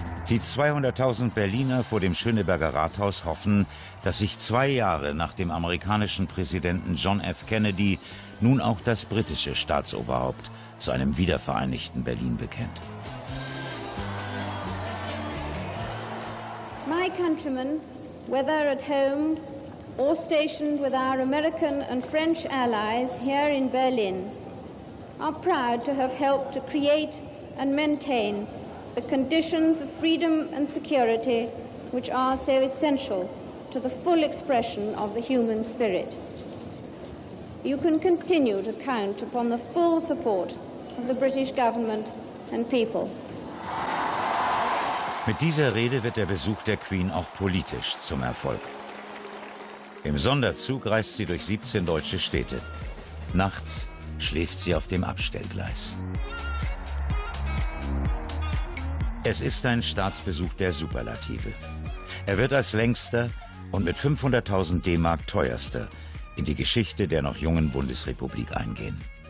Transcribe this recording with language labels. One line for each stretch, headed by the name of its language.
German: Die 200.000 Berliner vor dem Schöneberger Rathaus hoffen, dass sich zwei Jahre nach dem amerikanischen Präsidenten John F. Kennedy nun auch das britische Staatsoberhaupt zu einem wiedervereinigten Berlin bekennt.
English: My countrymen, whether at home or stationed with our American and French allies here in Berlin, are proud to have helped to create and maintain the conditions of freedom and security which are so essential to the full expression of the human spirit. You can continue to count upon the full support of the British government and people.
German: Mit dieser Rede wird der Besuch der Queen auch politisch zum Erfolg. Im Sonderzug reist sie durch 17 deutsche Städte. Nachts schläft sie auf dem Abstellgleis. Es ist ein Staatsbesuch der Superlative. Er wird als längster und mit 500.000 D-Mark teuerster in die Geschichte der noch jungen Bundesrepublik eingehen.